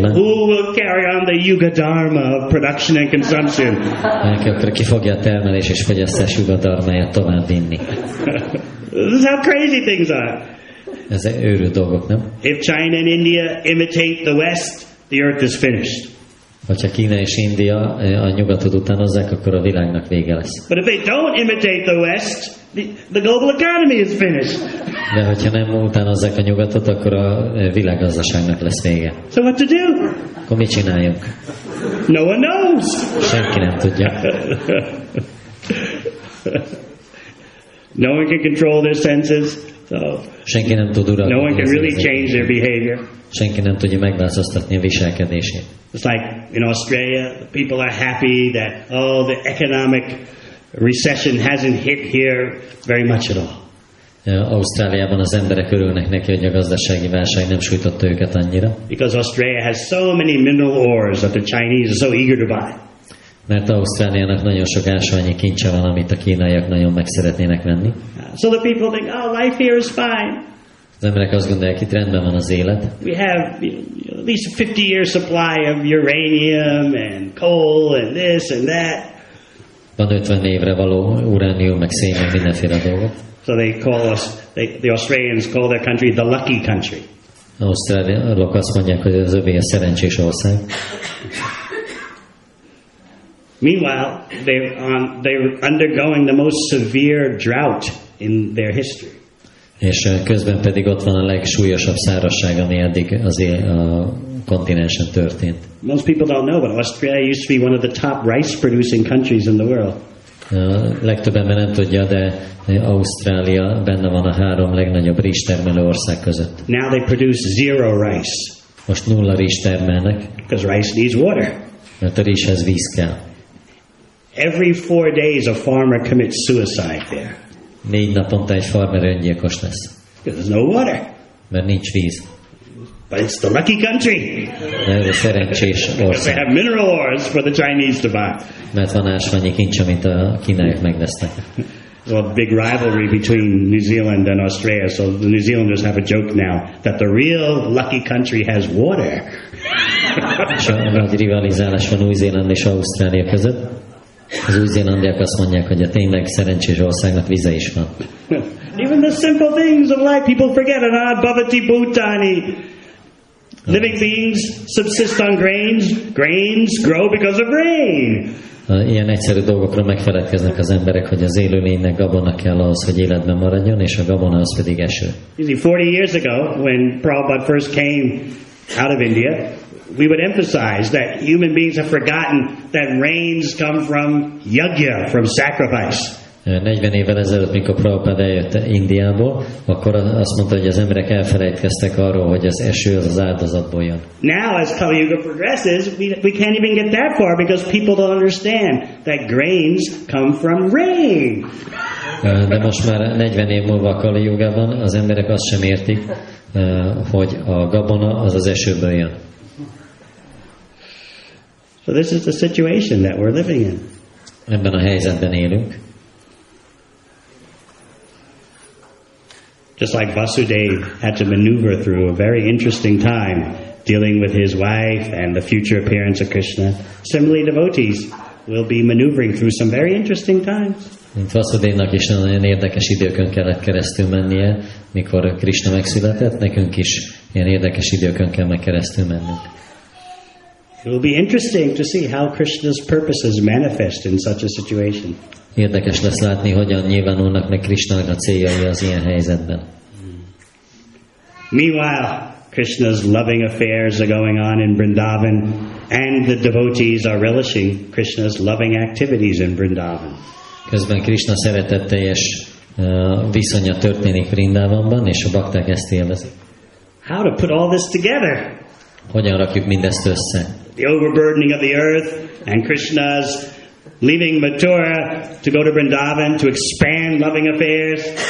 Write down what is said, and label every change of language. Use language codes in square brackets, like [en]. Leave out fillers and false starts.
[hu] lenne. [en] Who will carry on the Yuga Dharma of production and consumption? [hu] Ki fogja a termelés és fogyasztás Yuga Dharmáját tovább vinni? [en] This is how crazy things are. [hu] Ez őrült dolgok, nem? [en] If China and India imitate the West, the earth is finished. [hu] Hogyha Kína és India a nyugatot utánozzák, akkor a világnak vége lesz. [en] But if they don't imitate the West, the global economy is finished. [hu] De hogyha nem utánozzák a nyugatot, akkor a világgazdaságnak lesz vége. [en] So what to do? [hu] Akkor mit csináljunk? [en] No one knows. [hu] Senki nem tudja. [en] No one can control their senses. So, [hu] senki nem tud uralni. [en] No one can really change their behavior. [hu] Senki nem tudja megváltoztatni a viselkedését. [en] It's like in Australia, people are happy that oh, the economic recession hasn't hit here very much at all. [hu] Ausztráliában az emberek örülnek neki, hogy a gazdasági válság nem sújtotta őket annyira. [en] Because Australia has so many mineral ores that the Chinese are so eager to buy. [hu] Mert Ausztráliának nagyon sok ásványi kincse van, amit a kínaiak nagyon meg szeretnének venni. [en] So the people think, oh, life here is fine. [hu] Az emberek azt gondolják, itt rendben van az élet. [en] We have at least a 50-year supply of uranium and coal and this and that. [hu] Van 50 évre való uránium, meg szén, meg mindenféle dolgok. [en] So they call us, the Australians call their country the lucky country. [hu] Ausztráliak azt mondják, hogy az övé a szerencsés ország. [en] Meanwhile, they're undergoing the most severe drought in their history. [hu] És közben pedig ott van a legsúlyosabb szárazság, ami eddig az a kontinensen történt. [en] Most people don't know, but Australia used to be one of the top rice-producing countries in the world. [hu] Legtöbb ember nem tudja, de Ausztrália benne van a három legnagyobb rizstermelő ország között. [en] Now they produce zero rice. [hu] Most nulla rizst termelnek. [en] Because rice needs water. [hu] Mert a rizshez víz kell. [en] Every 4 days a farmer commits suicide there. [hu] 4 naponta egy farmer öngyilkos lesz. [en] There's no water. [hu] Mert nincs víz. [en] But it's the lucky country. [hu] Mert a szerencsés ország. [en] They have mineral ores for the Chinese to buy. [hu] Mert van ásványi kincs, amit a kínaiak megvesznek. [en] a big rivalry between New Zealand and Australia, so the New Zealanders have a joke now that the real lucky country has water. [hu] Nagy rivalizálás van Új Zéland és Ausztrália között. Az új zélandiak azt mondják, hogy a tényleg szerencsés országnak vize is van. [en] Even the simple things of life people forget are not [sa] Bhavati Bhutani. [en] Living beings subsist on grains. Grains grow because of rain. [hu] Ilyen egyszerű dolgokról megfeledkeznek az emberek, hogy az élőlénynek gabona kell ahhoz, hogy életben maradjon, és a gabona az pedig eső. [en] You see, 40 years ago, when Prabhupada first came out of India, we would emphasize that human beings have forgotten that rains come from yajna, from sacrifice. [hu] 40 évvel ezelőtt, mikor Prabhupada eljött Indiából, akkor azt mondta, hogy az emberek elfelejtkeztek arról, hogy az eső az, az áldozatból jön. [en] Now, as Kali Yuga progresses, we can't even get that far because people don't understand that grains come from rain. [hu] De most már 40 év múlva a Kali Yugában az emberek azt sem értik, hogy a gabona az az esőből jön. [en] So this is the situation that we're living in. [hu] Ebben a helyzetben élünk. [en] Just like Vasudev had to maneuver through a very interesting time dealing with his wife and the future appearance of Krishna, similarly devotees will be maneuvering through some very interesting times. [hu] Mint Vasudevnak is nagyon érdekes időkön kellett keresztül mennie, mikor Krishna megszületett, nekünk is ilyen érdekes időkön kell meg keresztül mennünk. [en] It will be interesting to see how Krishna's purposes manifest in such a situation. [hu] Érdekes lesz látni, hogyan nyilvánulnak meg Krishnának a céljai az ilyen helyzetben. [en] Meanwhile, Krishna's loving affairs are going on in Vrindavan, and the devotees are relishing Krishna's loving activities in Vrindavan. [hu] Közben Krishna szeretetteljes viszonya történik Vrindavanban, és a bakták ezt élvezik. [en] How to put all this together? [hu] Hogyan rakjuk mindezt össze? [en] The overburdening of the earth and Krishna's leaving Mathura to go to Vrindavan to expand loving affairs.